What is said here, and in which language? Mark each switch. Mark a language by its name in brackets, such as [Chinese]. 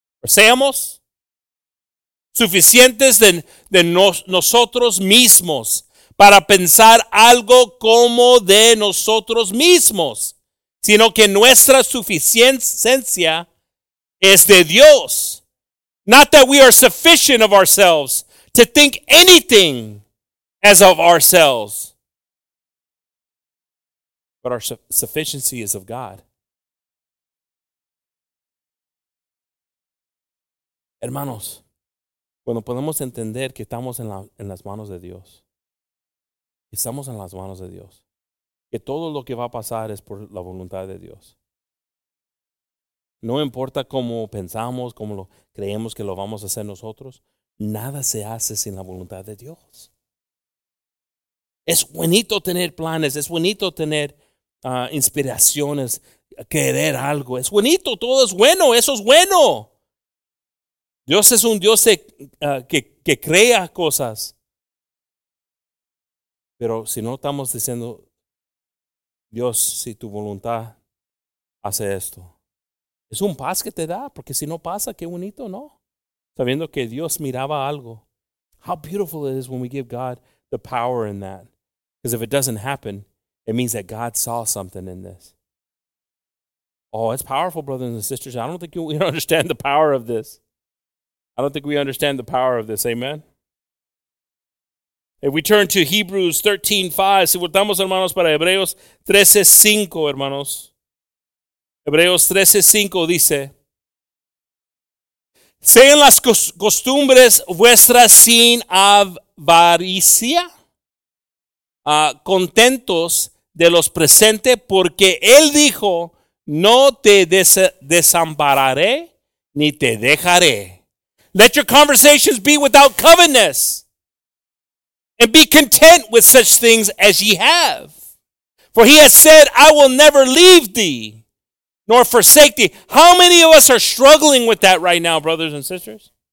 [Spanish] Seamos suficientes de nosotros mismos para pensar algo como de nosotros mismos, sino que nuestra suficiencia es de Dios. [English] Not that we are sufficient of ourselves to think anything as of ourselves, but our sufficiency is of God. [Spanish] Hermanos, cuando podemos entender que estamos en las manos de Dios, estamos en las manos de Dios, que todo lo que va a pasar es por la voluntad de Dios. No importa cómo pensamos, cómo lo creemos que lo vamos a hacer nosotros, nada se hace sin la voluntad de Dios. Es bonito tener planes, es bonito tener inspiraciones, querer algo. Es bonito, todo es bueno, eso es bueno. Dios es un Dios que crea cosas. Pero si no estamos diciendo, Dios, si tu voluntad hace esto, es un paz que te da, porque si no pasa, qué bonito, ¿no? Sabiendo que Dios miraba algo. [English] How beautiful it is when we give God the power in that. Because if it doesn't happen, It means that God saw something in this. Oh, it's powerful, brothers and sisters. I don't think we understand the power of this. I don't think we understand the power of this. Amen. If we turn to Hebrews 13:5, [Spanish] si voltamos, hermanos, para Hebreos 13:5, hermanos. Hebreos 13:5 dice, sean las costumbres vuestras sin avaricia, contentos de los presentes, porque él dijo, no te desampararé ni te dejaré. [English] Let your conversations be without covetousness, and be content with such things as ye have. For he has said, I will never leave thee nor forsake thee. How many of us are struggling with that right now, brothers and sisters?